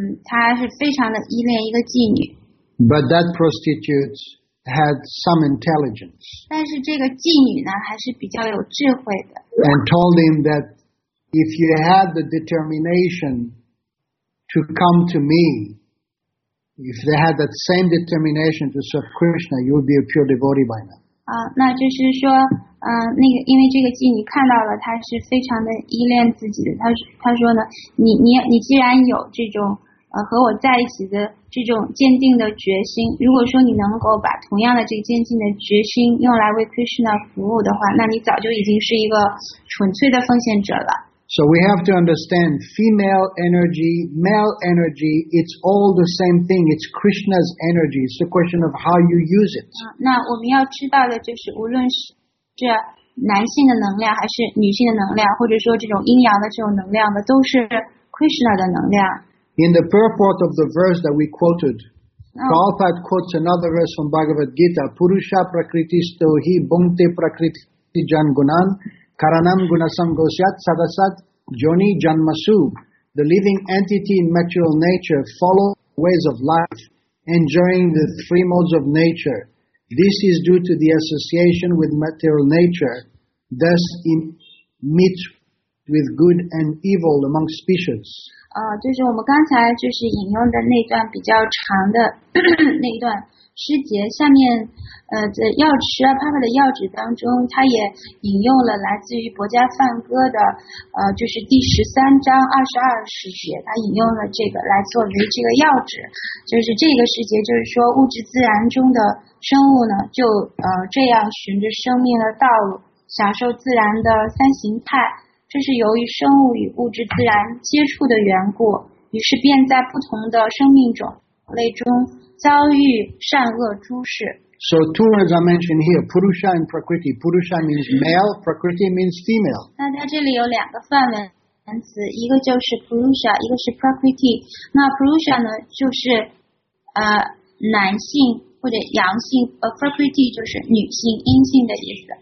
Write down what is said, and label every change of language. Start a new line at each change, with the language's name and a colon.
Chinese: 他是非常的依恋一个妓女。
English: But that prostitute... had some intelligence.
Chinese: 但是这个妓女呢还是比较有智慧的。
English: And told him that if you had the determination to come to me, if they had that same determination to serve Krishna, you would be a pure devotee by now.
Chinese: 那就是说那个因为这个妓女看到了她是非常的依恋自己的。她说呢你既然有这种和我在一起的这种坚定的决心，如果说你能够把同样的这个坚定的决心用来为 Krishna 服务的话，那你早就已经是一个纯粹的奉献者了。
English: So we have to understand female energy, male energy, it's all the same thing. It's Krishna's energy. It's a question of how you use it.
Chinese: 那我们要知道的就是，无论是这男性的能量，还是女性的能量，或者说这种阴阳的这种能量的，都是 Krishna 的能量。
English: In the purport of the verse that we quoted, Prabhupada quotes another verse from Bhagavad Gita,
Sanskrit: Purusha Prakritisto hi Bhunte Prakriti Jangunan, Karanam Gunasangosyat Sadasat Joni Janmasu.
English: The living entity in material nature follows ways of life, enjoying the three modes of nature. This is due to the association with material nature, thus it meets with good and evil among species.
Chinese: 就是我们刚才就是引用的那段比较长的那一段诗节，下面的要旨啊，帕帕的要旨当中，他也引用了来自于《薄伽梵歌》的就是第十三章二十二诗节，他引用了这个来作为这个要旨，就是这个诗节就是说物质自然中的生物呢，就这样循着生命的道路，享受自然的三形态。这是由于生物与物质自然接触的缘故，于是便在不同的生命种类中遭遇善恶诸事。
English: So two words are mentioned here, Purusha and Prakriti. Purusha means male, Prakriti means female.
Chinese: 那在这里有两个范文词，一个就是 Purusha， 一个是 Prakriti。那 Purusha 呢，就是男性或者阳性，Prakriti 就是女性阴性的意思。